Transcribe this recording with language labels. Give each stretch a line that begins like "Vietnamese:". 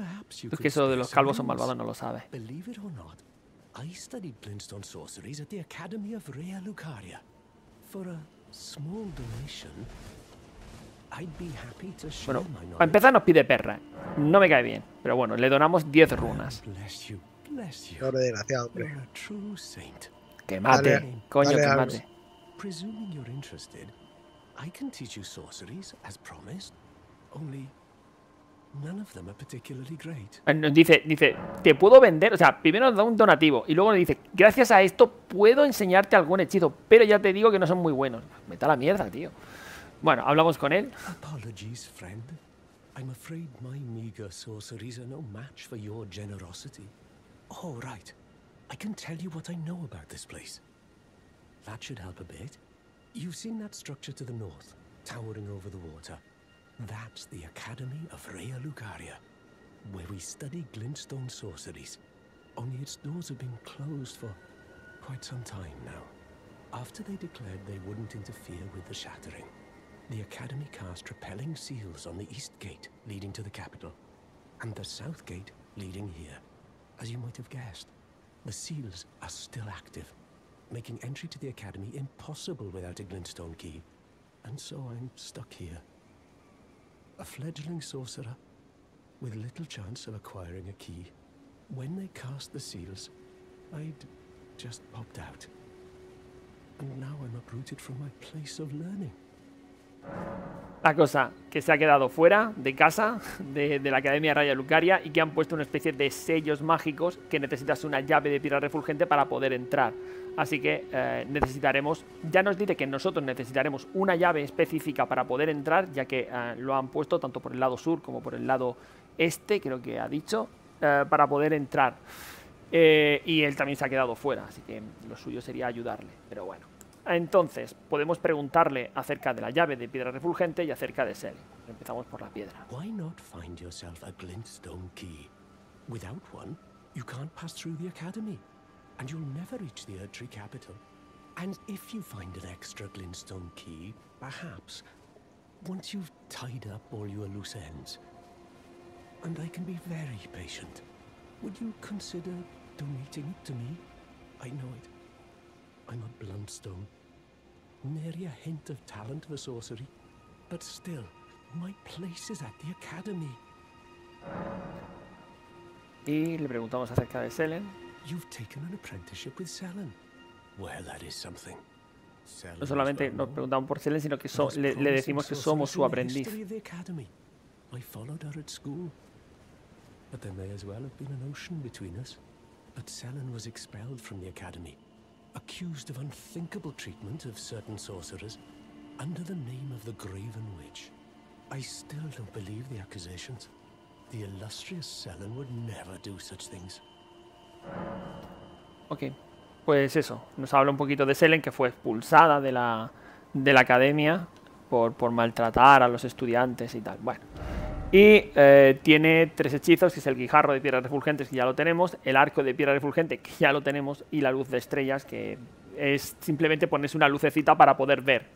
Spanish: Es que eso de los calvos son malvados, no lo sabe.
English: Believe it or not, I studied Plinstone sorceries at the Academy of Rhea Lucaria. For a small donation, I'd be happy to share
Spanish: Bueno,
English: my knowledge.
Spanish: A empezar nos pide perra. No me cae bien, pero bueno, le donamos 10 runas.
English: Bless you,
Spanish: pobre desgraciado, hombre.
English: You're a true saint.
Spanish: Que mate, Dale, coño, dale que
English: arms.
Spanish: mate.
English: Presuming you're interested, I can teach you sorceries as promised. Only None of them are particularly great.
Spanish: Dice, te puedo vender, o sea, primero nos da un donativo y luego nos dice, gracias a esto puedo enseñarte algún hechizo, pero ya te digo que no son muy buenos. Vete a la mierda, tío. Bueno, hablamos con él.
English: Apologies, friend. I'm afraid my meager sorceries are no match for your generosity. Oh, right. I can tell you what I know about this place. That should help a bit. You've seen that structure to the north, towering over the water. That's the Academy of Rhea Lucaria, where we study Glintstone sorceries. Only its doors have been closed for quite some time now. After they declared they wouldn't interfere with the Shattering, the Academy cast repelling seals on the East Gate leading to the capital, and the South Gate leading here. As you might have guessed, the seals are still active, making entry to the Academy impossible without a Glintstone key. And so I'm stuck here. A fledgling sorcerer, with little chance of acquiring a key. When they cast the seals, I'd just popped out. And now I'm uprooted from my place of learning.
Spanish: La cosa, que se ha quedado fuera de casa, de la Academia Raya Lucaria, y que han puesto una especie de sellos mágicos que necesitas una llave de piedra refulgente para poder entrar. Así que necesitaremos, ya nos dice que nosotros necesitaremos una llave específica para poder entrar, ya que lo han puesto tanto por el lado sur como por el lado este, creo que ha dicho, para poder entrar. Y él también se ha quedado fuera, así que lo suyo sería ayudarle, pero bueno. Entonces, podemos preguntarle acerca de la llave de piedra refulgente y acerca de Sally. Empezamos por la piedra.
English: Why not find yourself a glintstone key? Without one, you can't pass through the academy, and you'll never reach the Erdtree capital. And if you find an extra glintstone key, perhaps once you've tied up all your loose ends, and I can be very patient, would you consider donating it to me? I know it. I'm a bluntstone. Nary a hint of talent for sorcery. But still, my place is at the academy.
Spanish: Y le preguntamos acerca de Selen.
English: You've taken an apprenticeship with Selen. Well, that is something.
Spanish: Selen, no solamente nos preguntamos por Selen, sino que le decimos que somos su aprendiz.
English: I followed her at school. But there may as well have been an ocean between us. But Selen was expelled from the academy. Accused of unthinkable treatment of certain sorcerers under the name of the Graven Witch. I still don't believe the accusations. The illustrious Selen would never do such things.
Spanish: Okay, pues eso, nos habla un poquito de Selen, que fue expulsada de la academia por maltratar a los estudiantes y tal. Bueno, y tiene tres hechizos, que es el guijarro de piedras refulgentes, que ya lo tenemos, el arco de piedra refulgente, que ya lo tenemos, y la luz de estrellas, que es simplemente ponerse una lucecita para poder ver.